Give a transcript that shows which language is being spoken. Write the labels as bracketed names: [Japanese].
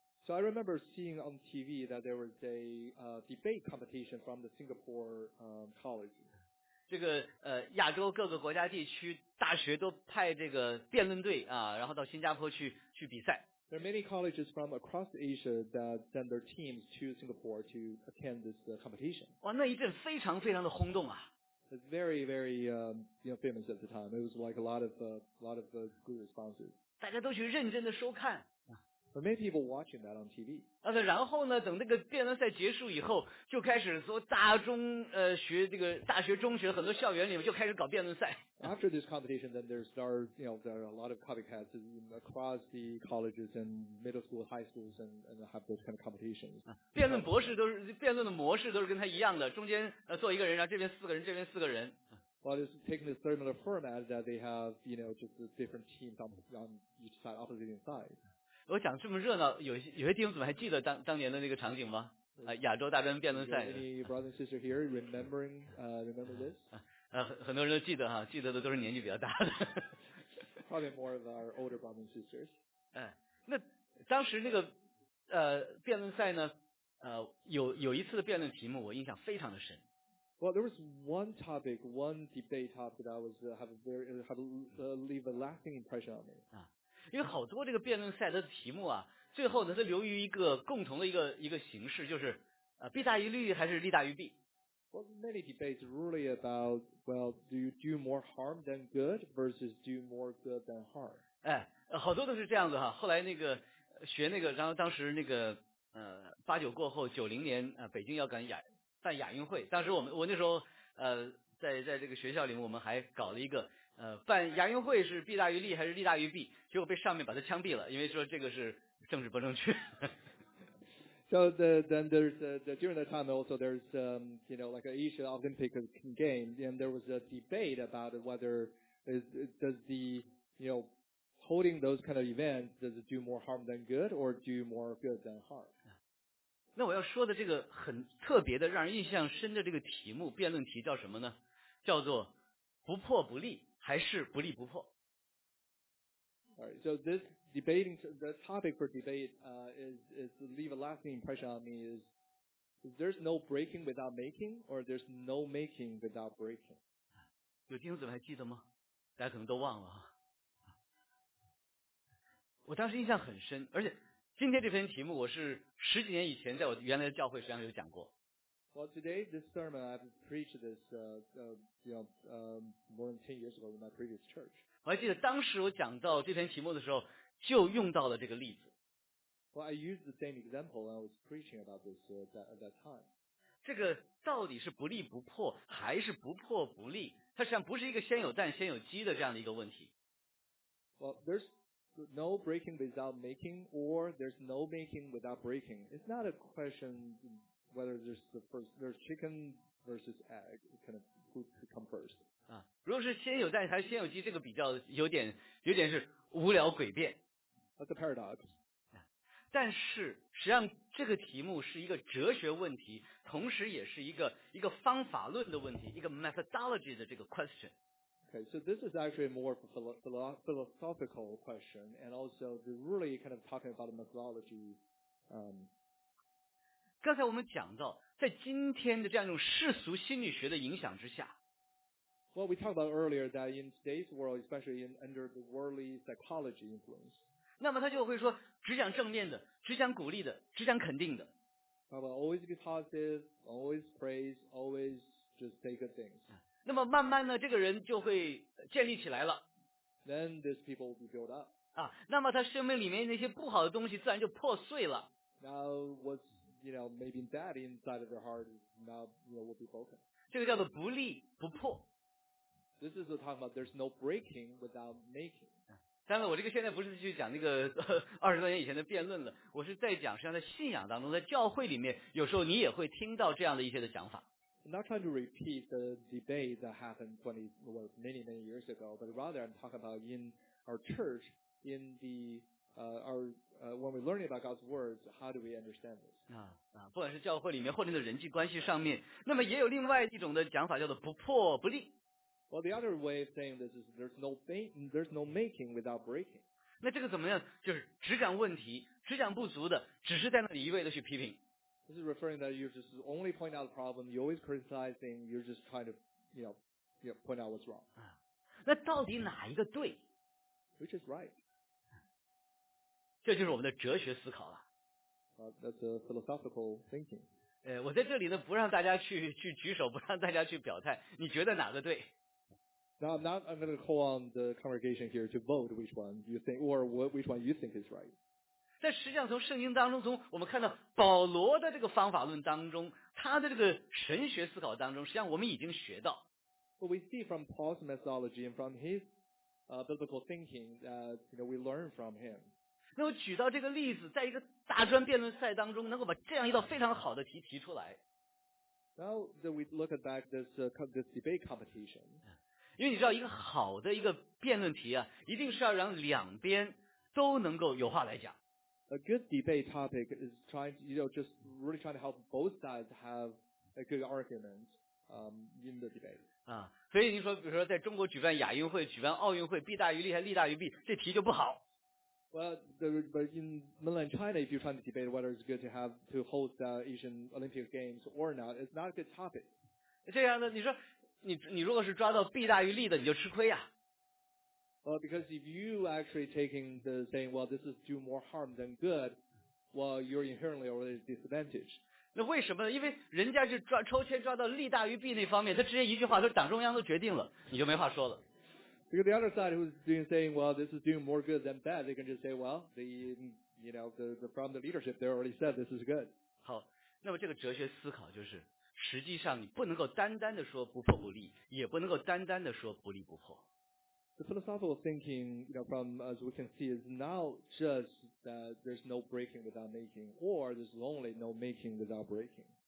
[English] So I remember seeing on TV that there was a debate competition from the Singapore college. [Chinese] 这个亚洲各个国家地区大学都派这个辩论队啊，然后到新加坡去比赛。 [English] There are many colleges from across Asia that send their teams to Singapore to attend this competition. [Chinese] 哇，那一阵非常非常的轰动啊。 [English] It's very, very, you know, famous at the time. It was like a lot of good responses. [Chinese] 大家都去认真的收看。 [English] But many people watching that on TV. [Chinese] 然后呢等那个辩论赛结束以后就开始说这个大学中学很多校园里面就开始搞辩论赛。 [English] After this competition, then there are a lot of copycats across the colleges and middle school, high schools and have those kind of competitions. [Chinese] 辩论的模式都是跟他一样的，中间坐一个人，然后这边四个人，这边四个人。 [English] Well, it's taking a similar format that they have, you know, just different teams on each side, opposite side. [Chinese] 我讲这么热闹，有些弟兄怎么还记得当年的那个场景吗？亚洲大专辩论赛。 [English] Any brother and sister here remembering remember this？ [Chinese] 很多人都记得哈，记得的都是年纪比较大的。 [English] Probably more of our older brothers and sisters。 [Chinese] 那当时那个辩论赛呢，有一次的辩论题目我印象非常的深。 [English] Well, there was one debate topic that was leave a lasting impression on me。 [Chinese] 因为好多这个辩论赛的题目啊，最后呢，它留于一个共同的一个形式，就是弊大于利还是利大于弊。 [English] Well, many debates really about, well, do you do more harm than good versus do more good than harm? [Chinese] 好多都是这样子哈。后来那个学那个，然后当时那个八九过后，九零年北京要办亚运会，当时我那时候在这个学校里面，我们还搞了一个。办亚运会是弊大于利还是利大于弊，结果被上面把他枪毙了，因为说这个是政治不正确。 [English] So during that time also there's you know, like an Asian Olympic game, and there was a debate about whether does the, you know, holding those kind of events, does it do more harm than good or do more good than harm? [Chinese] 那我要说的这个很特别的让人印象深的这个题目，辩论题叫什么呢？叫做不破不立还是不立不破。 [English] All right, so this debating, the topic for debate is leave a lasting impression on me is there's no breaking without making or there's no making without breaking. [Chinese] 有弟兄姊妹还记得吗？大家可能都忘了。我当时印象很深，而且今天这篇题目我是十几年以前在我原来的教会实际上有讲过。 [English] Well, today, this sermon, I've preached this, more than 10 years ago in my previous church. [Chinese] 我还记得当时我讲到这篇题目的时候，就用到了这个例子。 [English] Well, I used the same example when I was preaching about this at that time. [Chinese] 这个道理是不立不破，还是不破不立？它实际上不是一个先有蛋先有鸡的这样的一个问题。 [English] Well, there's no breaking without making, or there's no making without breaking. It's not a question whether there's chicken versus egg, kind of who to come first. [Chinese] 啊，如果是先有蛋还是先有鸡，这个比较有点是无聊诡辩。 [English] That's a paradox. [Chinese] 但是实际上这个题目是一个哲学问题，同时也是一个方法论的问题，一个 methodology 的这个 question。 [English] Okay, so this is actually more of a philosophical question, and also really kind of talking about methodology. [Chinese] 刚才我们讲到，在今天的这样一种世俗心理学的影响之下。 [English] Well, we talked about earlier that in today's world, especially under the worldly psychology influence. [Chinese] 那么他就会说，只讲正面的，只讲鼓励的，只讲肯定的。 [English] How about always be positive, always praise, always just say good things. [Chinese] 那么慢慢呢，这个人就会建立起来了。 [English] Then these people will be built up. [Chinese] 啊，那么他生命里面那些不好的东西自然就破碎了。 [English] Now what's, you know, maybe that inside of their heart is now, you know, will be broken. [Chinese] 这个叫做不立不破。 [English] This is what talking about. There's no breaking without making. [Chinese] 当然，我这个现在不是去讲那个20多年以前的辩论了，我是在讲，实际上在信仰当中，在教会里面，有时候你也会听到这样的一些的讲法。 [English] I'm not trying to repeat the debate that happened 20, well, many, many years ago, but rather I'm talking about in our church, in the, when we're learning about God's words, how do we understand this? [Chinese] 不管是教会里面或者是人际关系上面，那么也有另外一种的讲法叫做不破不立。 [English] Well, the other way of saying this is there's no making without breaking. [Chinese] 那这个怎么样？就是只讲问题，只讲不足的，只是在那里一味的去批评。 [English] This is referring that you're just only pointing out the problem, you're always criticizing, you're just trying to, you know, point out what's wrong. [Chinese] 那到底哪一个对？ [English] Which is right? [Chinese] 这就是我们的哲学思考了。 [English] But that's a philosophical thinking. [Chinese] 我在这里呢，不让大家去举手，不让大家去表态，你觉得哪个对？ [English] Now I'm going to call on the congregation here to vote which one you think, or which one you think is right. [Chinese] 但实际上从圣经当中，从我们看到保罗的这个方法论当中，他的这个神学思考当中，实际上我们已经学到。 [English] But we see from Paul's methodology and from his biblical thinking that, you know, we learn from him. [Chinese] 那我举到这个例子，在一个大专辩论赛当中，能够把这样一道非常好的题提出来。 [English] Now that we look back this debate competition. [Chinese] 因为你知道一个好的一个辩论题啊，一定是要让两边都能够有话来讲。 [English] A good debate topic is trying to, you know, just really trying to help both sides have a good argument, in the debate. [Chinese] 啊，所以你说，比如说，在中国举办亚运会、举办奥运会，弊大于利还利大于弊，这题就不好。 [English] Well, but in mainland China, if you're trying to debate whether it's good to host the Asian Olympic Games or not, it's not a good topic. [Chinese] 这样的，你说，你如果是抓到弊大于利的，你就吃亏呀。 [English] Well, because if you actually taking the saying, well, this is do more harm than good, well, you're inherently already disadvantaged. [Chinese] 那为什么呢？因为人家是抓抽签抓到利大于弊那方面，他直接一句话说党中央都决定了，你就没话说了。 [English] Because the other side who's doing saying, well, this is doing more good than bad, they can just say, well, the you know the from the leadership, they already said this is good. [Chinese] 好，那么这个哲学思考就是，实际上你不能够单单的说不破不立，也不能够单单的说不立不破。 [English] The philosophical thinking, you know, from as we can see, is not just that there's no breaking without making, or there's only no making without breaking.